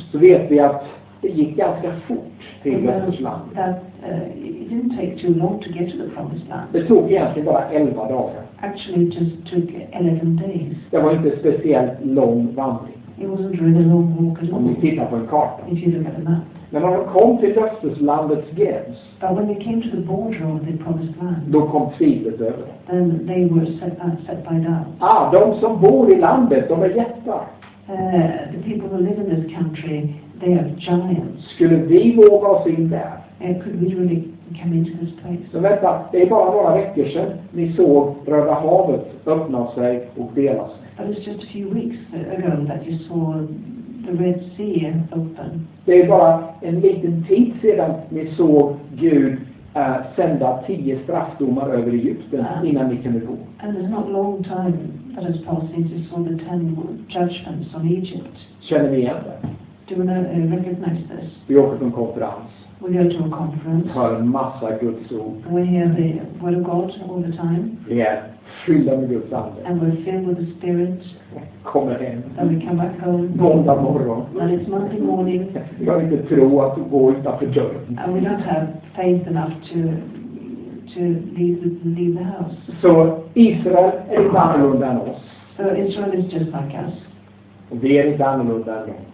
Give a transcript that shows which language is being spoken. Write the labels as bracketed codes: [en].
[sv] Så vet vi att det gick ganska fort till löfteslandet. [en] It didn't take too long to get to the promised land. [sv] Det tog egentligen bara 11 dagar. [en] Actually, it just took 11 days. [sv] Det var inte speciellt lång vandring. [en] It wasn't really long walk at all. [sv] Om vi tittar på en karta. [en] If you look at the map. [sv] Men när de kom till löfteslandets gräns. [en] But when they came to the border of the promised land. [sv] Då kom tvivlet över. [en] Then they were set by doubt. [sv] Ah, de som bor i landet, de är jättar. [en] The people who live in this country, they are giants. [sv] Skulle vi våga oss in där? [en] Could we really come into this place? [sv] Så vänta, det är bara några veckor sedan ni såg Röda havet öppna sig och dela sig. [en] But it's just a few weeks ago that you saw the Red Sea open. [sv] Det är bara en liten tid sedan ni såg Gud sända 10 straffdomar över Egypten innan ni kunde gå. [en] And it's not long time that has passed since you saw the 10 judgments on Egypt. [sv] Känner ni igen det? [en] Do we recognize this? [sv] Vi åker på en konferens. [en] We go to a conference. [sv] Hör en massa Guds ord. [en] We hear the word of God all the time. [sv] Yeah, fylld med Guds ande. [en] And we're filled with the Spirit. [sv] Kommer hem. [en] Then we come back home. [sv] Måndag morgon. [en] And it's Monday morning. [sv] Vi har inte tro att gå utanför dörren. [en] And we don't have faith enough to leave the house. [sv] So Israel är inte annorlunda än oss. [en] So Israel is just like us. [sv] Vi är inte annorlunda än dem.